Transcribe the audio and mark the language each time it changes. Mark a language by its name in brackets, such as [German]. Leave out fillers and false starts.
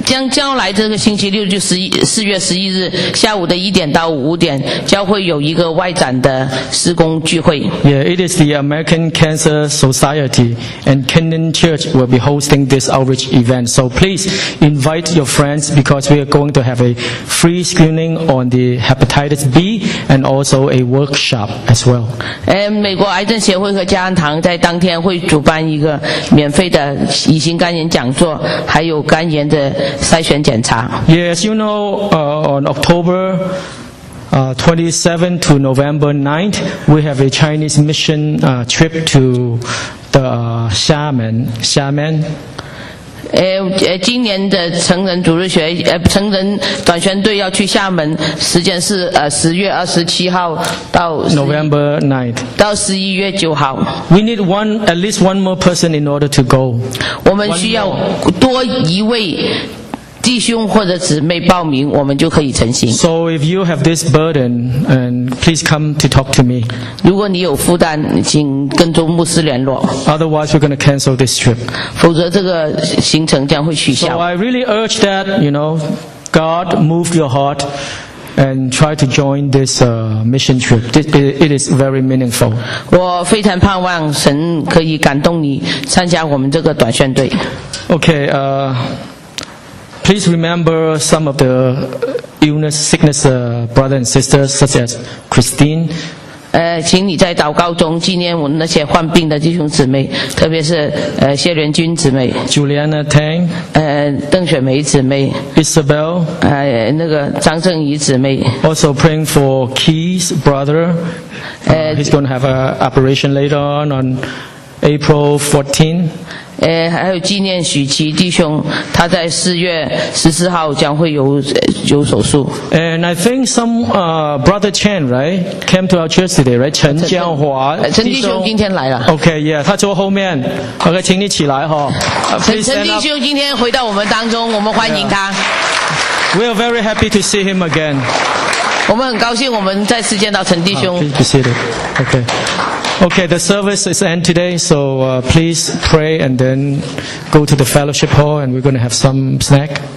[Chinese] 将来这个星期六就4月11日下午的1:00 to 5:00，将会有一个外展的施工聚会。 [English] Yeah, it is the American Cancer Society and Kenyon Church will be hosting this outreach event. So please invite your friends because we are going to have a free screening on the hepatitis B and also a workshop as well. [Chinese] 美国癌症协会和加恩堂在当天会主办一个免费的乙型肝炎讲座，还有肝炎的筛选检查。 [English] Yes, you know, on October 27 to November 9th, we have a Chinese mission trip to the Xiamen. [Chinese] 今年的成人主日学成人短宣队要去厦门，时间是10月27号到 [English] November 9th [Chinese] 到11月9号。 [English] We need one, at least one more person in order to go. [Chinese] 我们需要多一位弟兄或者姊妹报名，我们就可以成行。 [English] So if you have this burden, and please come to talk to me. [Chinese] 如果你有负担，请跟周牧师联络。 [English] Otherwise, we're going to cancel this trip. [Chinese] 否则这个行程将会取消。 [English] So I really urge that you know, God move your heart and try to join this mission trip. It is very meaningful. [Chinese] 我非常盼望神可以感动你参加我们这个短宣队。 [English] Okay. Please remember some of the illness, sickness, brothers and sisters, such as Christine, [Chinese] 请你在祷告中纪念我们那些患病的弟兄姊妹，特别是谢连君姊妹、 [English] Juliana Tang、 [Chinese] 邓雪梅姊妹、 [English] Isabel、 [Chinese] 那个张正仪姊妹。 [English] Also praying for Key's brother. He's going to have an operation later on April 14. [Chinese] 还有纪念许琦弟兄，他在四月十四号将会有手术。 [English] And I think some brother Chen, right, came to our church today, right? [Chinese] 陈江华，陈弟兄今天来了。 Okay, yeah, 他坐后面。Okay, 请你起来哈。陈弟兄今天回到我们当中，我们欢迎他。 [English] We are very happy to see him again. [Chinese] 我们很高兴我们再次见到陈弟兄。 [English] Please be seated. Okay. Okay, the service is end today, so please pray and then go to the fellowship hall and we're going to have some snack.